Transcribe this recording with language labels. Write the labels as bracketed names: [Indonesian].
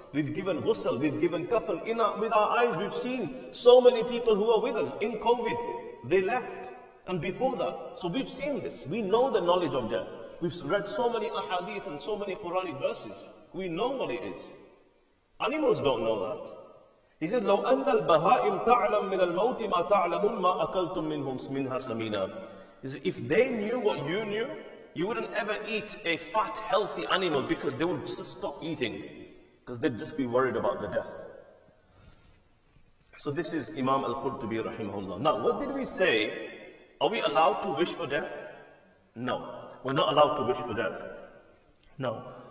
[English] We've given ghusl, we've given kafan. With our eyes, we've seen so many people who are with us. In COVID, they left. And before that, so we've seen this. We know the knowledge of death. We've read so many ahadith and so many Quranic verses. We know what it is. Animals don't know that. He says, [Arabic] لَوْ أَنَّ الْبَهَائِمْ تَعْلَمْ مِنَ الْمَوْتِ مَا تَعْلَمُونَ مَا أَكَلْتُمْ مِنْهَا سَمِينًا. [English] He says, if they knew what you knew, you wouldn't ever eat a fat, healthy animal because they would just stop eating. Because they'd just be worried about the death. So this is Imam Al-Qurtubi rahimahullah. Now, what did we say? Are we allowed to wish for death? No. We're not allowed to wish for death. No.